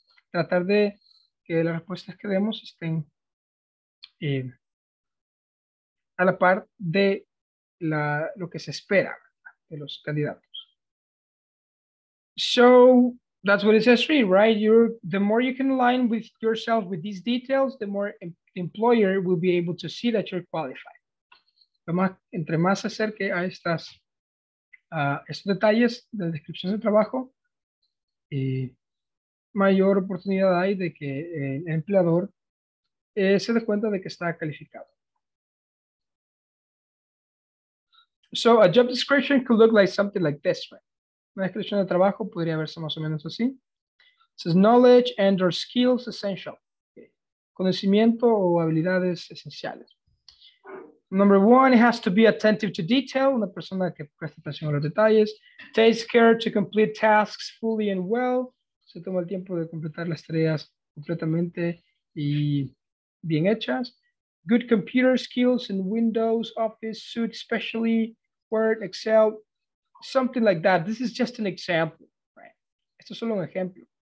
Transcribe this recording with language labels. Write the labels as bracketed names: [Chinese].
[Spanish] Tratar de que las respuestas que demos estén a la par de lo que se espera de los candidatos. [English] So, that's what it says, right? The more you can align with yourself with these details, the more the employer will be able to see that you're qualified. [Spanish] Entre más se acerque a estos detalles de la descripción del trabajo, mayor oportunidad hay de que el empleador se dé cuenta de que está calificado. [English] So a job description could look like something like this, right? [Spanish] Una descripción de trabajo podría verse más o menos así. [English] It says knowledge and or skills essential. [Spanish] Conocimiento o habilidades esenciales. [English] Number one, it has to be attentive to detail. [Spanish] Una persona que presta atención a los detalles. [English] Takes care to complete tasks fully and well. [Spanish] Se toma el tiempo de completar las tareas completamente y bien hechas. [English] Good computer skills in Windows, Office, Suite, especially Word, Excel, something like that. This is just an example, right? [Spanish] Esto es solo un ejemplo.